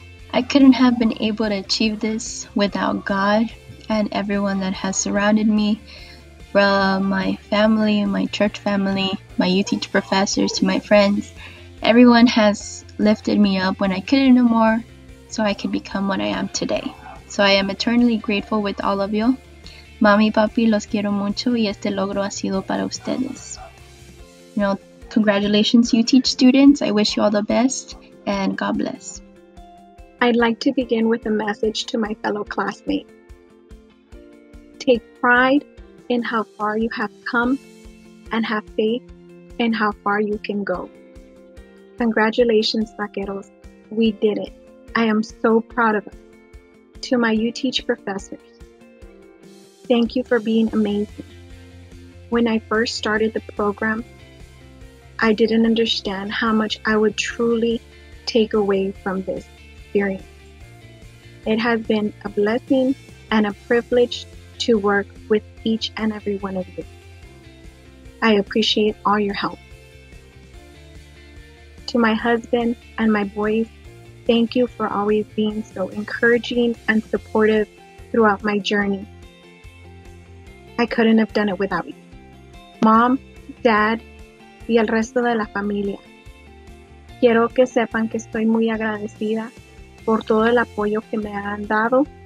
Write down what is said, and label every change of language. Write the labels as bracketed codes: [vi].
[en] I couldn't have been able to achieve this without God and everyone that has surrounded me, from my family, my church family, my UTeach professors, to my friends. Everyone has lifted me up when I couldn't no more, so I could become what I am today. So I am eternally grateful with all of you. [es] Mami, papi, los quiero mucho y este logro ha sido para ustedes. [en] You know, congratulations, UTeach students. I wish you all the best and God bless. I'd like to begin with a message to my fellow classmates. Take pride in how far you have come and have faith in how far you can go. Congratulations, vaqueros. We did it. I am so proud of us. To my UTeach professors, thank you for being amazing. When I first started the program, I didn't understand how much I would truly take away from this experience. It has been a blessing and a privilege to work with each and every one of you. I appreciate all your help. To my husband and my boys, thank you for always being so encouraging and supportive throughout my journey. I couldn't have done it without you. Mom, Dad, [es] y el resto de la familia. Quiero que sepan que estoy muy agradecida por todo el apoyo que me han dado.